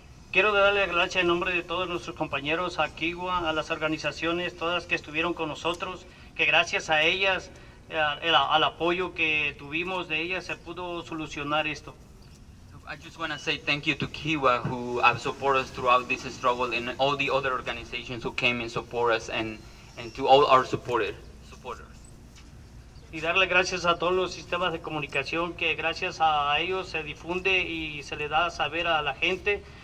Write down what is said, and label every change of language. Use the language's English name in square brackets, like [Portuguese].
[Spanish] Quiero darle gracias en nombre de todos nuestros compañeros a Kiwa, a las organizaciones, todas que estuvieron con nosotros, que gracias a ellas, al apoyo que tuvimos de ellas, se pudo solucionar esto. [English] I just want to say thank you to Kiwa, who have supported us throughout this struggle, and all the other organizations who came and support us, and to all our supporters. [Spanish] Y darle gracias a todos los sistemas de comunicación, que gracias a ellos se difunde y se le da a saber a la gente.